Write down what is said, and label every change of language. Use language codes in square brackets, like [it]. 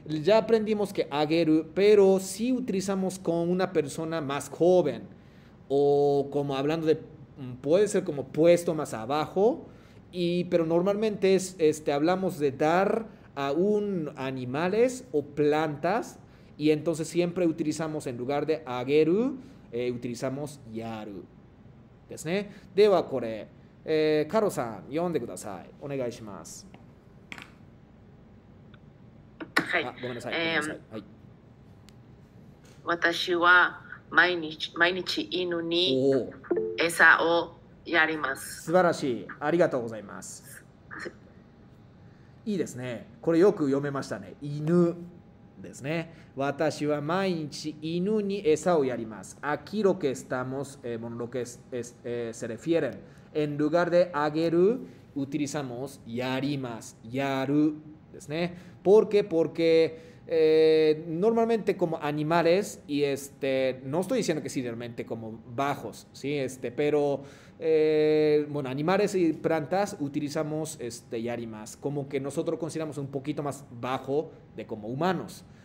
[es] Ya aprendimos que ageru, pero si utilizamos con una persona más joven o como hablando de, puede ser como puesto más abajo, y, pero normalmente es, hablamos de dar a un animales o plantas, y entonces siempre utilizamos en lugar de ageru. Utilizamos yaru. [ja] ですね。ではこれ、カロさん、読んでください。お願いします。はい。ごめんなさい。はい、私は毎日犬に餌をやります。素晴らしい。ありがとうございます。いいですね。これよく読めましたね。犬。ですね、私は毎日犬に餌をやります。 [es] Aquí lo que estamos, bueno, lo que se refieren. En lugar de あげる, utilizamos やります, [ja] やるですね。 [es] ¿Por qué? Porque normalmente como animales, y no estoy diciendo que sí, realmente como bajos, ¿sí? Pero bueno, animales y plantas utilizamos やります, como que nosotros consideramos un poquito más bajo de como humanos.